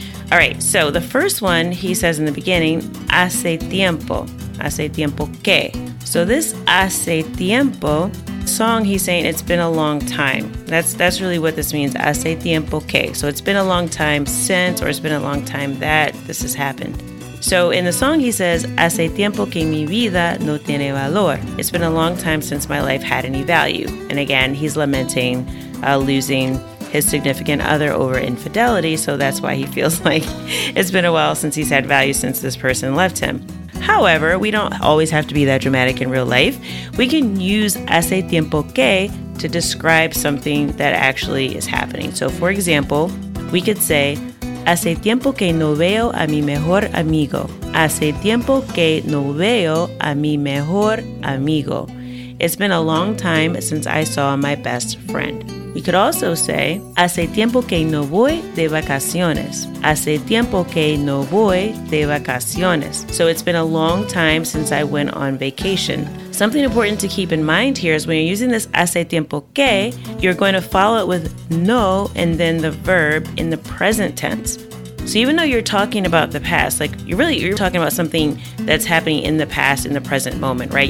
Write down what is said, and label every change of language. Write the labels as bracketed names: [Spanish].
[English] All right, so the first one he says in the beginning, hace tiempo que. So this hace tiempo song, he's saying it's been a long time. That's really what this means, hace tiempo que. So it's been a long time since, or it's been a long time that this has happened. So in the song he says, [Spanish] hace tiempo que mi vida no tiene valor. [English] It's been a long time since my life had any value. And again, he's lamenting losing his significant other over infidelity, so that's why he feels like it's been a while since he's had value since this person left him. However, we don't always have to be that dramatic in real life. We can use hace tiempo que to describe something that actually is happening. So for example, we could say, [Spanish] hace tiempo que no veo a mi mejor amigo. Hace tiempo que no veo a mi mejor amigo. [English] It's been a long time since I saw my best friend. You could also say, [Spanish] hace tiempo que no voy de vacaciones. Hace tiempo que no voy de vacaciones. [English] So it's been a long time since I went on vacation. Something important to keep in mind here is when you're using this hace tiempo que, you're going to follow it with no and then the verb in the present tense. So even though you're talking about the past, like you're talking about something that's happening in the past, in the present moment, right?